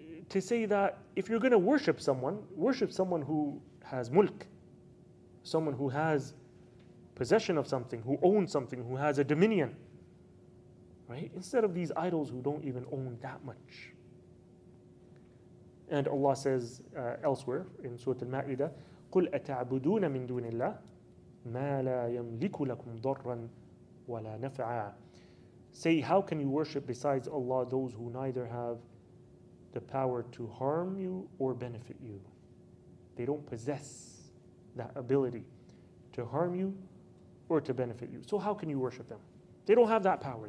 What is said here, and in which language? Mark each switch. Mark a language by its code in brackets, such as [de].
[en] To say that if you're going to worship someone who has mulk, someone who has possession of something, who owns something, who has a dominion, right? Instead of these idols who don't even own that much. And Allah says elsewhere in Surah Al-Ma'idah, [ar] قُلْ أَتَعْبُدُونَ مِن دُونِ اللَّهِ مَا لَا يَمْلِكُ لَكُمْ ضَرًّا وَلَا نَفْعًا. [en] Say, how can you worship besides Allah those who neither have the power to harm you or benefit you? They don't possess that ability to harm you or to benefit you. So how can you worship them? They don't have that power.